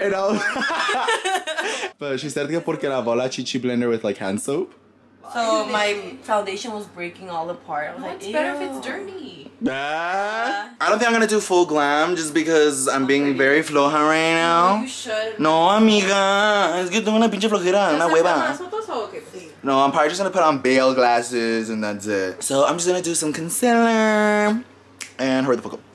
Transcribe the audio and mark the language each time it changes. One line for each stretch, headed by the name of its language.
English: And I was but she said that
Spanish: porque lavó la chichi
English: blender with like hand soap. So my foundation was breaking all apart. I was it's ew. Better if it's dirty. I don't think I'm gonna do full glam just because I'm being very floja right now. You should.
Spanish: No, amiga. Es que tengo una pinche flojera, una hueva.
English: No, I'm probably just gonna put on veil glasses and that's it. So I'm just gonna do some concealer and hurry the fuck up.